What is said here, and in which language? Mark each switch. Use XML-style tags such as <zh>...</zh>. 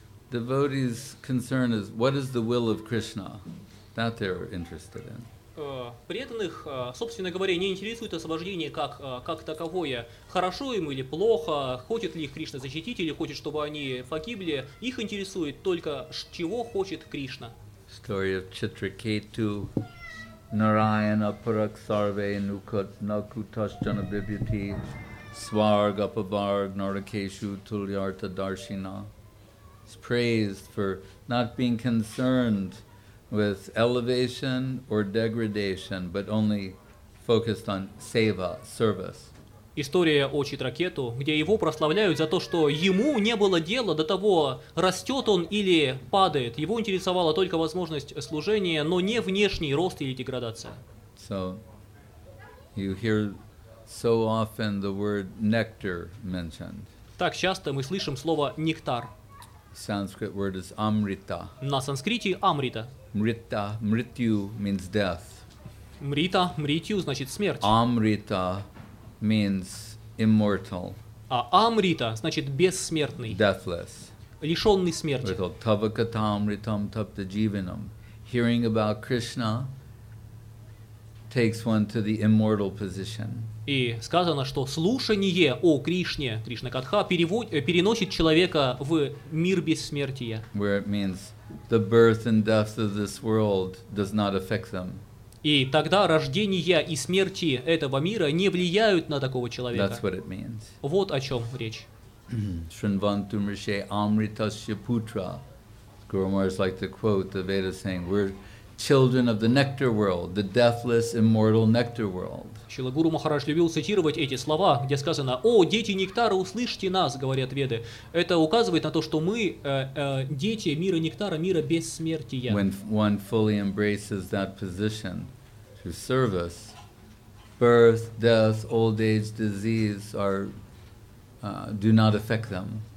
<en>Devotee's concern is what is the will of Krishna that they're interested in.</en> <ru>Преданных, собственно говоря, не интересует освобождение как таковое. Хорошо им или плохо, хочет ли их Кришна защитить или хочет, чтобы они погибли. Их интересует только, чего хочет Кришна.</ru> <en>Story of Chitraketu,</en> <sa>Narayana Paraksarve Nukut Nakutashjana Bibhuti, Swargapabarg Narakeshu Tulyarta Darshina.</sa> <en>Praised for not being concerned with elevation or degradation, but only focused on seva, service.</en> <ru>История о Читракету, где его прославляют за то, что ему не было дела до того, растет он или падает. Его интересовала только возможность служения, но не внешний рост или деградация.</ru> <en>So, you hear so often the word nectar mentioned.</en> <ru>Так часто мы слышим слово нектар.</ru> <en>Sanskrit word is amrita.</en> <ru>На санскрите амрита.</ru> <en>Mrita, mrityu means death.</en> <ru>Mrita, mrityu значит смерть.</ru> <en>Amrita means immortal.</en> <ru>А амрита значит бессмертный.</ru> <en>Deathless.</en> <ru>Лишённый смерти.</ru> <sa>Tavakata amritam tapta jivanam.</sa> <en>Hearing about Krishna takes one to the immortal position.</en> <ru>И сказано, что слушание о Кришне, Кришна Катха, переносит человека в мир бессмертия.</ru> <en>Where it means the birth and death of this world does not affect them.</en> <ru>И тогда рождение и смерти этого мира не влияют на такого человека.</ru> <en>That's what it means.</en> <ru>Вот о чем речь.</ru> <sa>Shrinvantu mrishe amritasya putra.</sa> <en>Guru Maharaj like to quote the Veda saying, we're children of the nectar world, the deathless, immortal nectar world.</en> <ru>Шилагуру Махарадж любил цитировать эти слова, где сказано: «О, дети нектара, услышьте нас, говорят веды». Это указывает на то, что мы дети мира нектара, мира бессмертия.</ru> <en>When one fully embraces that position to service, birth, death, old age, disease are do not affect them.</en>